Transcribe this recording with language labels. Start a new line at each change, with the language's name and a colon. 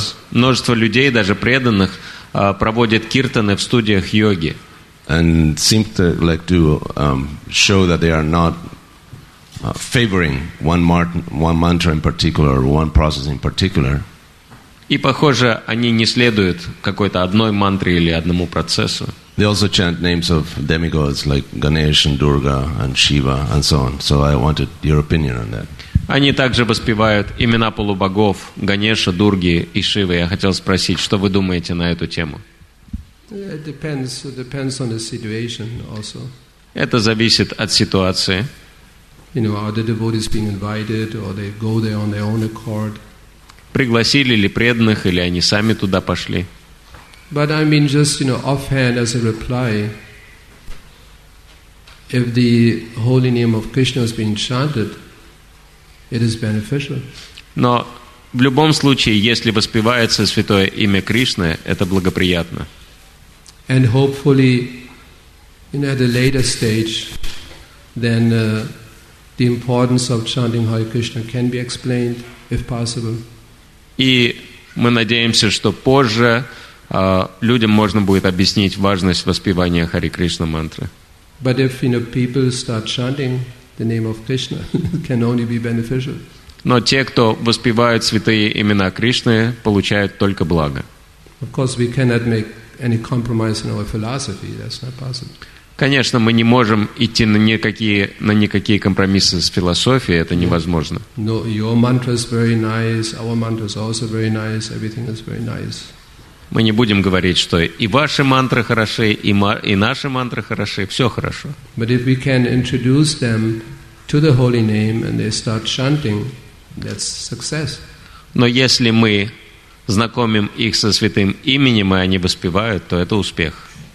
Russian: Множество людей, даже преданных, проводят киртаны в студиях йоги.
English: And seem to like to show that they are not favoring one mantra in particular or one process in particular.
Russian: И похоже, они не следуют какой-то одной мантре или одному процессу.
English: They also chant names of demigods like Ganesh and Durga and Shiva and so on. So I wanted your opinion on that.
Russian: Они также воспевают имена полубогов Ганеша, Дурги и Шивы. Я хотел спросить, что вы думаете на эту тему?
English: It depends on the situation also.
Russian: Это зависит от ситуации.
English: You know, are the devotees being invited or they go there on their own accord?
Russian: Пригласили ли преданных или они сами туда пошли?
English: But I mean just, you know, offhand as a reply, if the holy name of Krishna is being chanted, it is beneficial.
Russian: Но в любом случае, если воспевается святое имя Кришны, это благоприятно.
English: And hopefully, you know, at a later stage, then the importance of chanting Hare Krishna can be explained, if possible.
Russian: И мы надеемся, что позже людям можно будет объяснить важность воспевания Хари Кришна мантры.
English: But if, you know, people start chanting the name of Krishna, it can only be beneficial.
Russian: Но те, кто воспевают святые имена Кришны, получают только благо.
English: Of course, we cannot make any compromise in our philosophy. That's not possible.
Russian: Конечно, мы не можем идти на никакие компромиссы с философией, это невозможно.
English: No, your mantra is very nice, our mantra is also very nice, everything is very nice.
Russian: Мы не будем говорить, что и ваши мантры хороши, и наши мантры хороши, все хорошо.
English: But if we can introduce them to the holy name and they start chanting, that's success.
Russian: Но если мы знакомим их со святым именем, и они воспевают, то это успех.